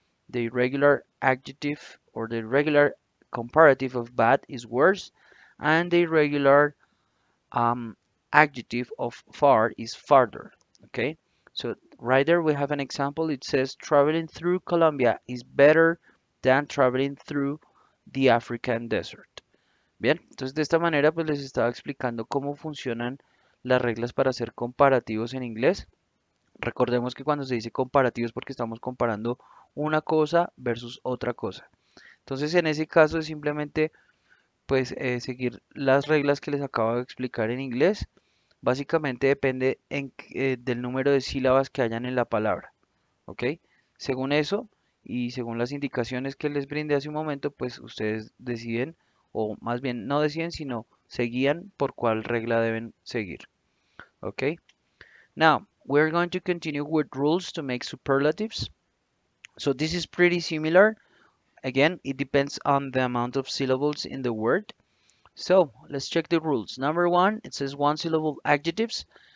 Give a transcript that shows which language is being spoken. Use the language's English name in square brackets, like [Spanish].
[English] The irregular adjective or the regular comparative of bad is worse, and the irregular adjective of far is farther. Okay, so right there we have an example. It says traveling through Colombia is better than traveling through the African desert. [Spanish] Bien, entonces de esta manera pues les estaba explicando cómo funcionan las reglas para hacer comparativos en inglés. Recordemos que cuando se dice comparativos porque estamos comparando una cosa versus otra cosa. Entonces, en ese caso es simplemente pues seguir las reglas que les acabo de explicar en inglés. Básicamente depende en, del número de sílabas que hayan en la palabra. ¿Ok? Según eso y según las indicaciones que les brindé hace un momento, pues ustedes deciden, o más bien no deciden, sino se guían por cuál regla deben seguir. ¿Ok? [English] Now, we're going to continue with rules to make superlatives. So this is pretty similar. Again, it depends on the amount of syllables in the word. So let's check the rules. Number one, it says one syllable adjectives.